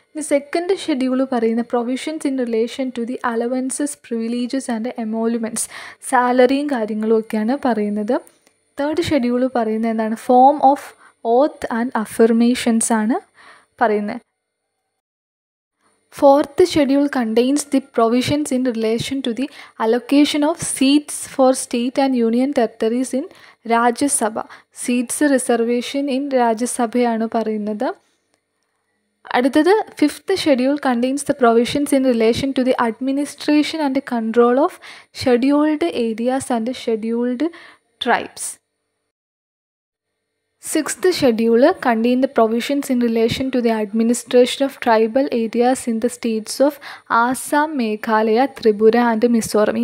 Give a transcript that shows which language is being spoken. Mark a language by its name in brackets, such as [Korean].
[Malayalam] ഇനി second schedule പറയുന്ന [English] provisions in relation to the allowances privileges and emoluments, [Malayalam] സാലറിയും കാര്യങ്ങളും ഒക്കെയാണ് പറയുന്നത്. [English] third schedule പറയുന്ന എന്താണ്, form of oath and affirmations [Malayalam] ആണ് പറയുന്നത്. [English] Fourth schedule contains the provisions in relation to the allocation of seats for state and union territories in Rajya Sabha. Seats reservation in Rajya Sabha [Malayalam] aanu parayunnathu. [English] അടുത്തത് fifth schedule contains the provisions in relation to the administration and control of scheduled areas and scheduled tribes. Sixth schedule contain the provisions in relation to the administration of tribal areas in the states of Assam, Meghalaya, Tripura and Mizoram.